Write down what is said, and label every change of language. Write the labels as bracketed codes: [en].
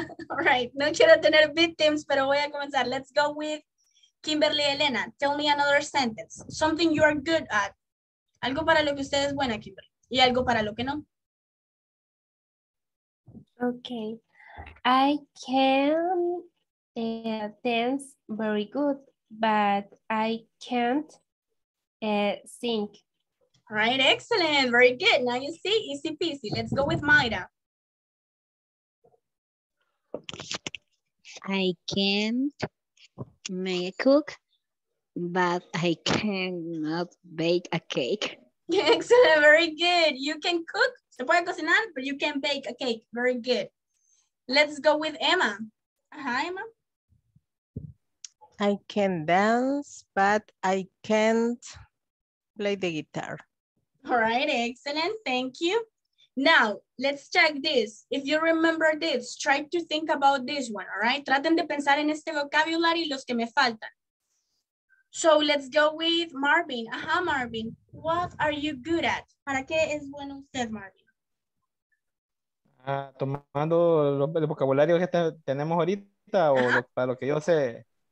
[en] All right, [es] no quiero tener victims, pero voy a comenzar. [en] Let's go with [es] Kimberly Elena. [en] Tell me another sentence. Something you are good at. [es] Algo para lo que usted es buena, Kimberly. Y algo para lo que no. [en] Okay, I can dance very good, but I can't sing. All right, excellent, very good. Now you see, easy peasy. Let's go with Mayra. I can't make a cook, but I cannot bake a cake. Excellent, very good. You can cook. [es] Se puede cocinar, [en] but you can bake a cake. Very good. Let's go with Emma. Hi, Emma. I can dance, but I can't play the guitar. All right, excellent. Thank you. Now, let's check this. If you remember this, try to think about this one, all right? [es] Traten de pensar en este vocabulario y los que me faltan. [en] So let's go with Marvin. Aha, Marvin. What are you good at? [es] ¿Para qué es bueno usted, Marvin? Tomando el vocabulario que tenemos ahorita o para lo que yo sé.